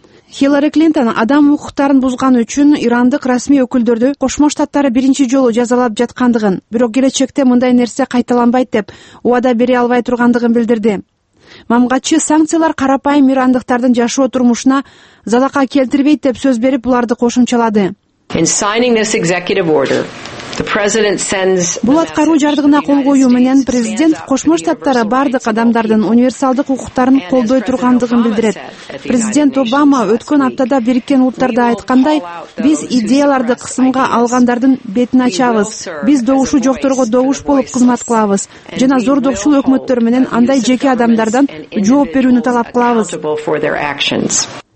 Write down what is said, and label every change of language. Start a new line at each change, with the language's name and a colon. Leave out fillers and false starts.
Kyrgyz: Хиллари Клинтон адам укуктарын бузганы үчүн ирандык расмий өкүлдөрдү Кошмо Штаттары биринчи жолу жазалап жаткандыгын, бирок келечекте мындай нерсе кайталанбайт деп убада бере албай тургандыгын билдирди. Мамгачы санкциялар карапайым ирандыктардын жашоо турмушуна залака келтирбейт деп сөз берип, буларды кошумчалады.
English: In signing this executive order, the president sends
Kyrgyz: Бул аткаруу жардыгына кол коюу менен президент Кошмо Штаттары бардык адамдардын универсалдык укуктарын колдой тургандыгын билдирет. Президент Обама өткөн аптада Бириккен Улуттарда айткандай, биз идеяларды кысымга алгандардын бетин ачабыз. Биз добушу жокторго добуш болуп кызмат кылабыз жана зордокчул өкмөттөр менен андай жеке адамдардан жооп берүүнү талап кылабыз.